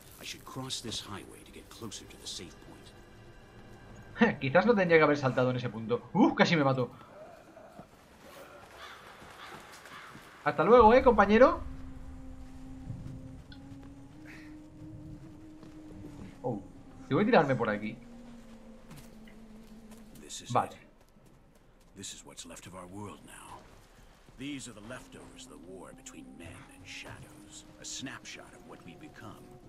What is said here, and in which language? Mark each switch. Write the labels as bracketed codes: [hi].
[en] should cross this highway to get closer to the safe point. [es] Quizás no tendría que haber saltado en ese punto. ¡Uf! Casi me mato. Hasta luego, compañero. Oh, tengo que tirarme por aquí. Vale. [en] This is what's left of our world now. These are the leftovers of the war between men and shadows. A snapshot of what we become.